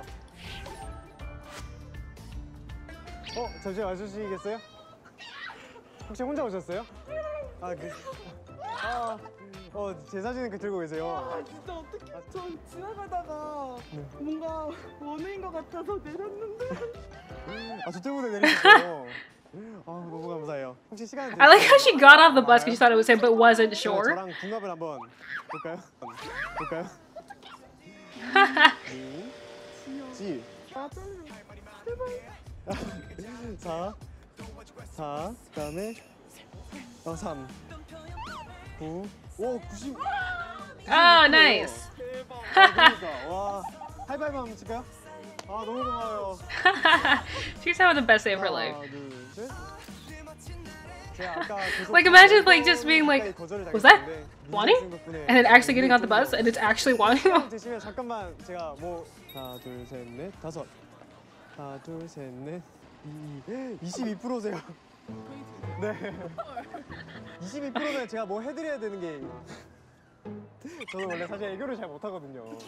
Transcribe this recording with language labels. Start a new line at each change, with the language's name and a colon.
Korean: 어? 잠시 와주시겠어요? 혹시 혼자 오셨어요? 아, 그... 아, 어, 제 사진은 그 들고 계세요. 아, 진짜 어떡해. 저 지나가다가 네. 뭔가 원우인 것 같아서 내렸는데. 아, 저 때문에 내리셨어요. 아, 너무 감사해요. 혹시 시간
English: I like how she got off the bus because she thought it was him, but wasn't sure.
Korean: 저랑 궁합을 한번 볼까요? 볼까요? 2, 4, 4, 4, 그 다음에 어, 3, 9, 오, 90! 아, 나이스! 와, 하이파이브 한번 칠까요? 아, 너무 고마워요.
English: She's having the best day of her life.
Korean: 아까
English: like imagine like just being like was that Wani? And then actually getting on the bus and it's actually Wani.
Korean: 드시면 잠깐만 제가 뭐 하나 둘 셋 넷 다섯 하나 둘 셋 넷 22%세요. 네. 22%면 제가 뭐 해드려야 되는 게 저는 원래 사실 애교를 잘 못하거든요.